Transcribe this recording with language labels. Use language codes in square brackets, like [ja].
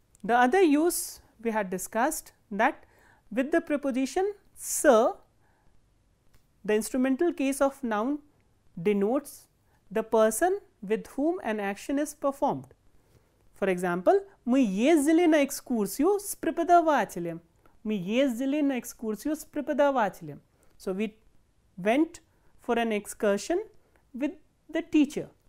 [en] The other use we had discussed, that with the preposition sa, the instrumental case of noun denotes the person with whom an action is performed. For example, [ru] мы ездили на экскурсию с преподавателем. Мы ездили на экскурсию с преподавателем. [en] So we went for an excursion with the teacher.